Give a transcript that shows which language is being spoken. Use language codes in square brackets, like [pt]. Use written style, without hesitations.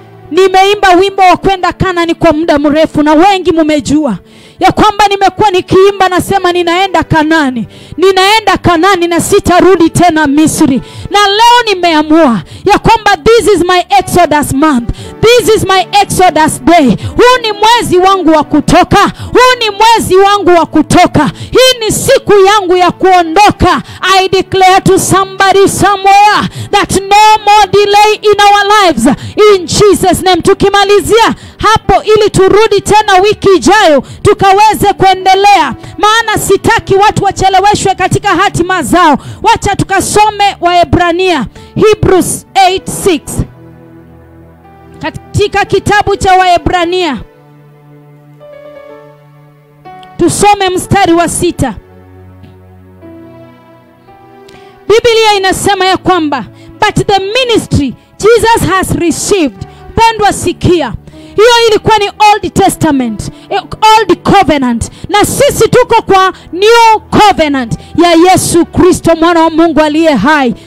[sw] Nimeimba wimbo wa kwenda Kanani kwa muda mrefu na wengi mumejua ya kwamba nimekuwa nikiimba nasema ninaenda Kanani. Ninaenda Kanani na sitarudi tena Misri. Na leo nimeamua ya kwamba [en] this is my Exodus month. This is my Exodus day. [sw] Huu ni mwezi wangu wa kutoka. Huu ni mwezi wangu wa kutoka. Hii ni siku yangu ya kuondoka. [en] I declare to somebody somewhere that no more delay in our lives in Jesus name. [sw] Tukimalizia hapo ili turudi tena wiki ijayo tukaweze kuendelea. Maana sitaki watu wacheleweshwe katika hatima zao. Wacha tukasome Waebrania Hebrews 8:6. Katika kitabu cha Waebrania tusome mstari wa 6. Biblia inasema ya kwamba [en] but the ministry Jesus has received, [sw] pendwa sikia. Hiyo ilikuwa ni [en] Old Testament, Old Covenant. [sw] Na sisi tuko kwa New Covenant ya Yesu Kristo mwana wa Mungu aliye hai.